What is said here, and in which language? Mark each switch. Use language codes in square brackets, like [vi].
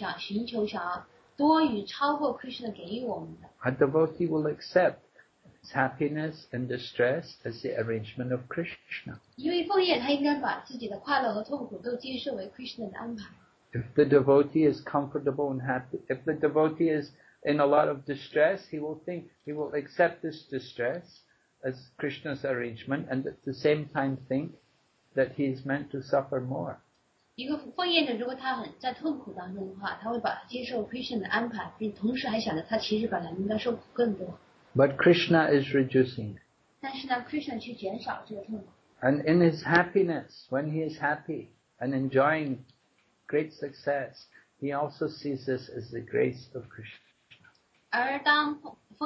[zh] 我们不应该去贪婪的去寻求想要多于超过 Krishna 给予我们的。 [en] A devotee will accept happiness and distress as the arrangement of Krishna. [zh] 因为奉业，他应该把自己的快乐和痛苦都接受为 Krishna 的安排。 [en] If the devotee is comfortable and happy, if the devotee is in a lot of distress, he will accept this distress as Krishna's arrangement, and at the same time think that he is meant to suffer more. [zh] 一个奉业的，如果他很在痛苦当中的话，他会把接受 Krishna 的安排，并同时还想着他其实本来应该受苦更多。 [en] But Krishna is reducing. [zh] 但是呢 ，Krishna 却减少这个痛苦。 [en] And in his happiness, when he is happy and enjoying great success, he also sees this as the grace of Krishna.